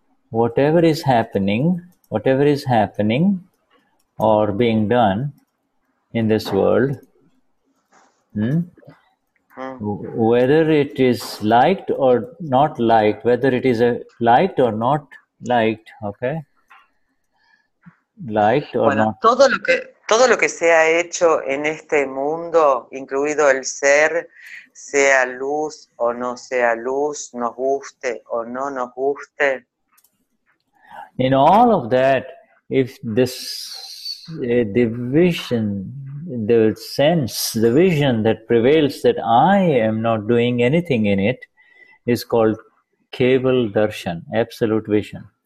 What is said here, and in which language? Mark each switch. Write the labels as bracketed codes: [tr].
[en] Whatever is happening or being done in this world, whether it is liked or not liked, whether it is liked or not liked, okay? Liked or [es] bueno, [en] not. [es] Todo lo que sea hecho en este mundo, incluido el ser, sea luz o no sea luz, nos guste o no nos guste. [en] In all of that, if this division, the sense, the vision that prevails that I am not doing anything in it is called Keval Darshan, absolute vision.